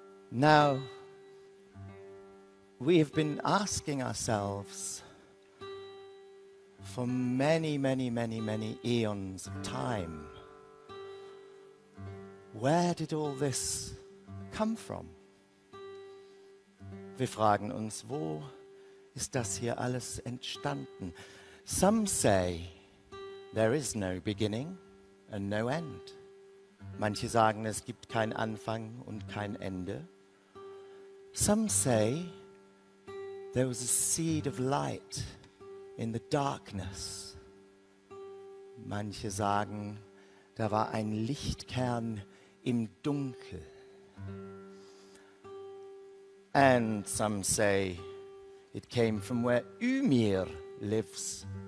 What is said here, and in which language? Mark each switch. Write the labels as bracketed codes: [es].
[en] Now, we have been asking ourselves for many, many, many, many eons of time, where did all this come from? [de] Wir fragen uns, wo ist das hier alles entstanden? [en] Some say there is no beginning and no end. [de] Manche sagen, es gibt kein Anfang und kein Ende. [en] Some say there was a seed of light in the darkness. [de] Manche sagen, da war ein Lichtkern im Dunkel. [en] And some say it came from where Ymir lives.